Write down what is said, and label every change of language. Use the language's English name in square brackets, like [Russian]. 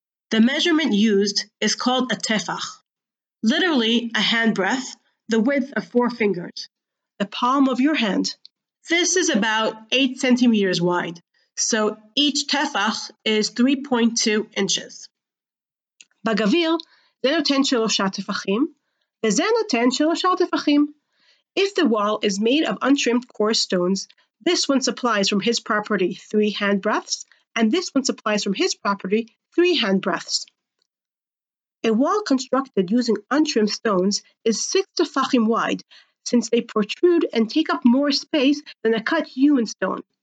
[English] The measurement used is called a tefach, literally a hand breadth, the width of four fingers, the palm of your hand. This is about 8 centimeters wide, so each tefach is 3.2 inches. [Hebrew] בגביל, זה נותן שלושה תפחים, וזה נותן שלושה תפחים. [English] If the wall is made of untrimmed coarse stones, this one supplies from his property 3 hand breadths, and this one supplies from his property 3 hand breadths. A wall constructed using untrimmed stones is 6 tefachim wide, since they protrude and take up more space than a cut hewn stone.